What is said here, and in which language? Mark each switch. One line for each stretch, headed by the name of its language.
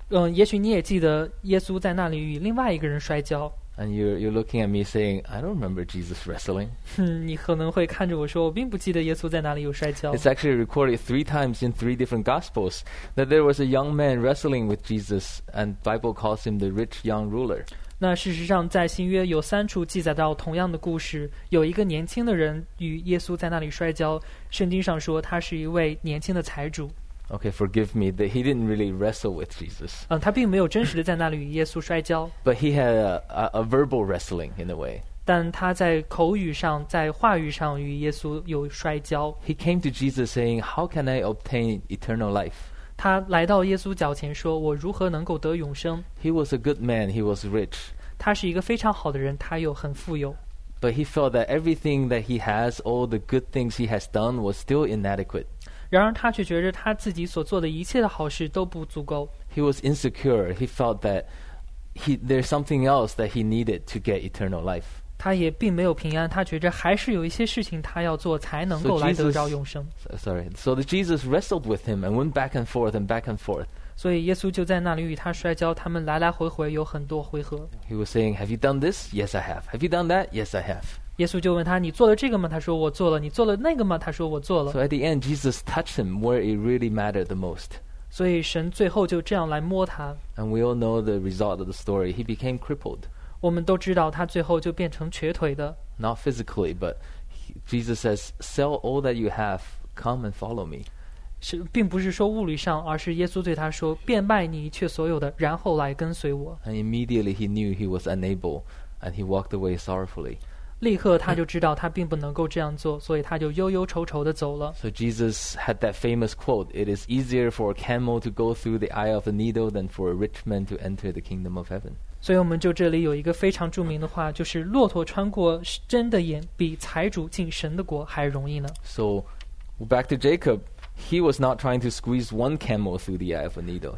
Chinese: 也许你也记得耶稣在那里与另外一个人摔跤。
English: And you're looking at me saying, I don't remember Jesus wrestling.
Chinese: 你可能会看着我说，我并不记得耶稣在哪里有摔跤。
English: It's actually recorded three times in three different Gospels that there was a young man wrestling with Jesus, and Bible calls him the rich young ruler.
Chinese: 那事实上，在新约有三处记载到同样的故事，有一个年轻的人与耶稣在那里摔跤。圣经上说，他是一位年轻的财主。
English: Okay, forgive me. That he didn't really wrestle with Jesus.
Chinese: 他并没有真实的在那里与耶稣摔跤。
English: But he had a verbal wrestling in a way.
Chinese: 但他在口语上，在话语上与耶稣有摔跤。
English: He came to Jesus saying, "How can I obtain eternal life?"
Chinese: 他来到耶稣脚前说，我如何能够得永生？
English: He was a good man. He was rich.
Chinese: 他是一个非常好的人，他又很富有。
English: But he felt that everything that he has, all the good things he has done, was still inadequate.
Chinese: 然而他却觉得他自己所做的一切的好事都不足够。
English: He was insecure. He felt that there's something else that he needed to get eternal life.
Chinese: 他也并没有平安，他觉得还是有一些事情他要做才能够来得着永生。
English: So Jesus wrestled with him and went back and forth and back and forth.
Chinese: 所以耶稣就在那里与他摔跤，他们来来回回有很多回合。
English: He was saying, "Have you done this? Yes, I have. Have you done that? Yes, I have."
Chinese: 耶稣就问他，你做了这个吗？他说我做了。你做了那个吗？他说我做了。
English: So at the end, Jesus touched him where it really mattered the most.
Chinese: 所以神最后就这样来摸他。
English: And we all know the result of the story. He became crippled.
Chinese: 我们都知道他最后就变成瘸腿的。
English: Not physically, but Jesus says, "Sell all that you have, come and follow me."
Chinese: 是，并不是说物理上，而是耶稣对他说，变卖你一切所有的，然后来跟随我。
English: And immediately he knew he was unable, and he walked away sorrowfully.
Chinese: 立刻他就知道他并不能够这样做，所以他就忧忧愁愁地走了。
English: So Jesus had that famous quote, "It is easier for a camel to go through the eye of a needle than for a rich man to enter the kingdom of heaven."
Chinese: 所以我们就这里有一个非常著名的话，就是骆驼穿过针的眼比财主进神的国还容易呢。
English: So back to Jacob, he was not trying to squeeze one camel through the eye of a needle.